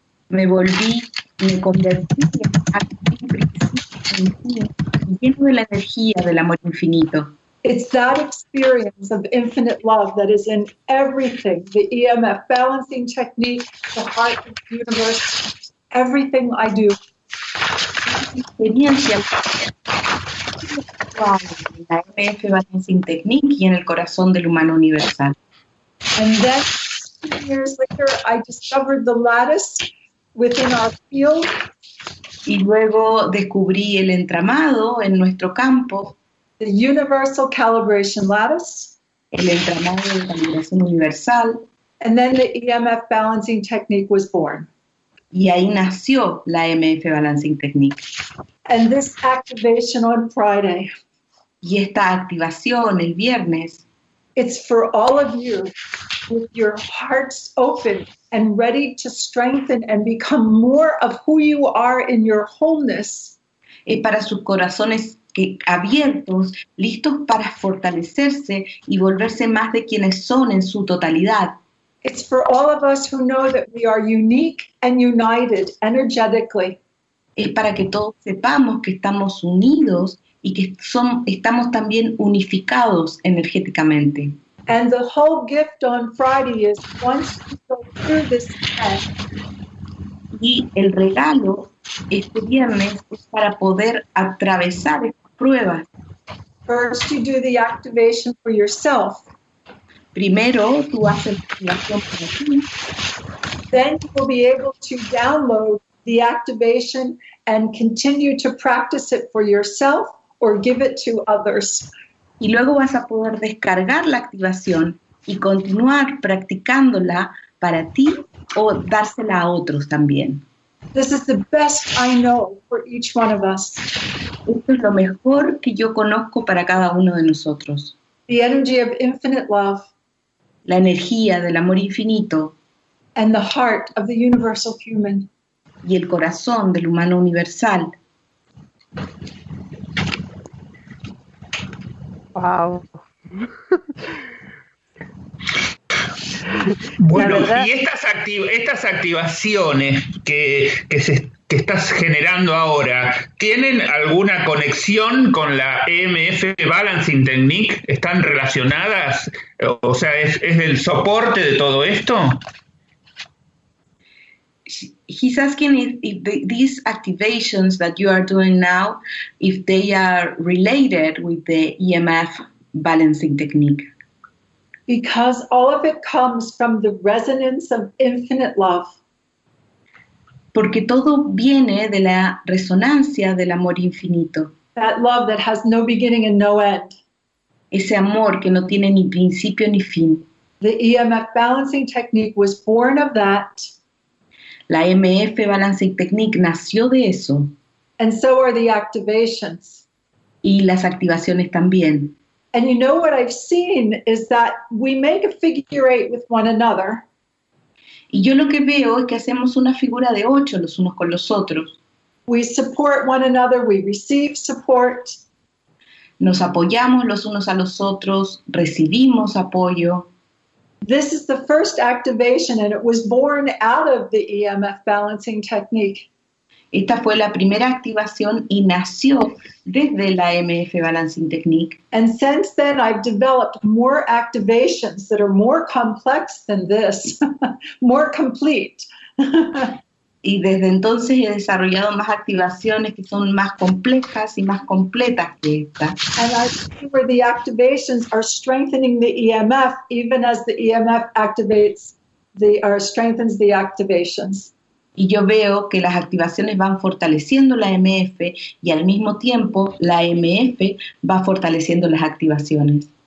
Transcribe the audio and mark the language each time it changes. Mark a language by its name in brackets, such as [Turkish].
[Spanish] Me volví, me convertí en principio, lleno de la energía del amor infinito. [English] It's that experience of infinite love that is in everything, the EMF balancing technique, the heart of the universe, everything I do. [Spanish] Experiencia en la EMF balancing technique y en el corazón del humano universal. [English] And then, 2 years later, I discovered the lattice within our field. [Spanish] Y luego descubrí el entramado en nuestro campo. [English] The universal calibration lattice. [Spanish] el entramado de calibración universal. [English] And then the EMF balancing technique was born. [Spanish] Y ahí nació la EMF balancing technique. [English] And this activation on Friday. [Spanish] Y esta activación el viernes. [English] It's for all of you with your hearts open and ready to strengthen and become more of who you are in your wholeness. [Spanish] Es para sus corazones abiertos, listos para fortalecerse y volverse más de quienes son en su totalidad. [English] It's for all of us who know that we are unique and united energetically. [Spanish] Es para que todos sepamos que estamos unidos y que estamos también unificados energéticamente. [English] And the whole gift on Friday is once you go through this test. [Spanish] Y el regalo este viernes es para poder atravesar estas pruebas. [English] First you do the activation for yourself. [Spanish] Primero tú haces la activación para ti. [English] Then you will be able to download the activation and continue to practice it for yourself or give it to others. [Spanish] Y luego vas a poder descargar la activación y continuar practicándola para ti o dársela a otros también. [English] This is the best I know for each one of us. [Spanish] Esto es lo mejor que yo conozco para cada uno de nosotros. [English] The energy of infinite love. [Spanish] La energía del amor infinito. [English] And the heart of the universal human. [Spanish] Y el corazón del humano universal. Wow. Bueno, y estas activaciones que estás generando ahora, ¿tienen alguna conexión con la EMF Balancing Technique? ¿Están relacionadas? O sea, ¿es el soporte de todo esto? [English] He's asking if these activations that you are doing now, if they are related with the EMF Balancing Technique. Because all of it comes from the resonance of infinite love. [Spanish] Porque todo viene de la resonancia del amor infinito. [English] That love that has no beginning and no end. [Spanish] Ese amor que no tiene ni principio ni fin. [English] The EMF balancing technique was born of that. [Spanish] La EMF balancing technique nació de eso. [English] And so are the activations. [Spanish] Y las activaciones también. [English] And you know what I've seen is that we make a figure eight with one another. [Spanish] Y yo lo que veo es que hacemos una figura de ocho los unos con los otros. [English] We support one another, we receive support. [Spanish] Nos apoyamos los unos a los otros, recibimos apoyo. [English] This is the first activation and it was born out of the EMF balancing technique. [Spanish] Esta fue la primera activación y nació desde la EMF Balancing Technique. [English] And since then I've developed more activations that are more complex than this, more complete. [Spanish] Y desde entonces he desarrollado más activaciones que son más complejas y más completas que esta. [English] And I see where the activations are strengthening the EMF even as the EMF activates or strengthens the activations. [Spanish] Y yo veo que las activaciones van fortaleciendo la EMF y al mismo tiempo la EMF va fortaleciendo las activaciones.